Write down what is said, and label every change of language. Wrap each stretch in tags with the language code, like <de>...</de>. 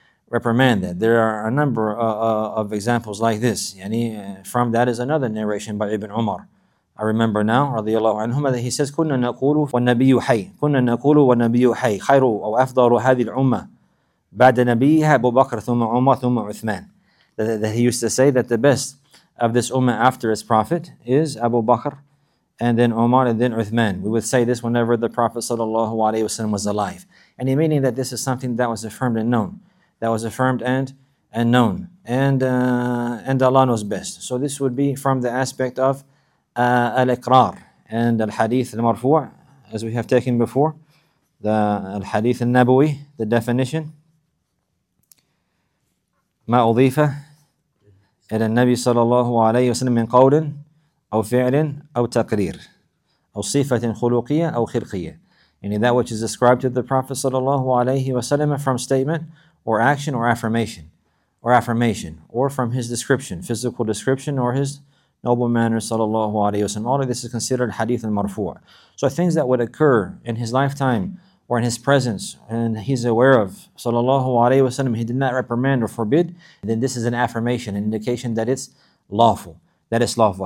<en>There are a number of examples like this. Yani, from that is another narration by Ibn Umar. I remember now, radiyallahu anhuma, that he says,</en> <ar>كُنَّا نَقُولُ وَالنَّبِيُّ حَيِّ كُنَّا نَقُولُ وَالنَّبِيُّ حَيِّ خَيْرُ أَوْ أَفْضَرُ هَذِي الْعُمَّةِ بعد نبيه أبو بكر ثم عمر ثم عثمان.</ar> <en>That he used to say that the best of this ummah after its prophet is Abu Bakr, and then Umar, and then Uthman. We would say this whenever the Prophet sallallahu alaihi wasallam was alive. And he meaning that this is something that was affirmed and known. That was affirmed and known. And Allah knows best. So this would be from the aspect of al-Iqrar. And al-Hadith al-Marfu', as we have taken before, the al-Hadith al-Nabawi, the definition.</en> <ar>ما أضيف إلى النبي صلى الله عليه وسلم من قول أو فعل أو تقرير أو صفة خلقية أو خلقية.</ar> <en>Any that which is ascribed to the Prophet</en> <ar>صلى الله عليه وسلم</ar> <en>from statement or action or affirmation or affirmation or from his description, physical description or his noble manner صلى الله عليه وسلم. All of this is considered hadith al-marfu'. So things that would occur in his lifetime or in his presence, and he's aware of, sallallahu alayhi wasallam, he did not reprimand or forbid, then this is an affirmation, an indication that it's lawful. That it's lawful.</en>